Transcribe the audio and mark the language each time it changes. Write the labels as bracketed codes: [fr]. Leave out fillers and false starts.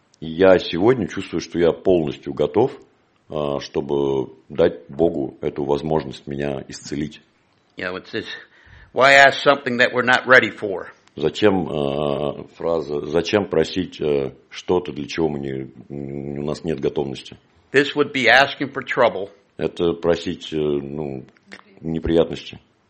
[ru] Я сегодня чувствую, что я полностью готов, чтобы дать Богу эту возможность меня исцелить. [en] You know, it says, why ask something that we're not ready for? [ru] Зачем фраза, зачем просить что-то, для чего мы не, у нас нет готовности? [en] This would be asking for trouble. [ru] Это просить, ну, неприятности.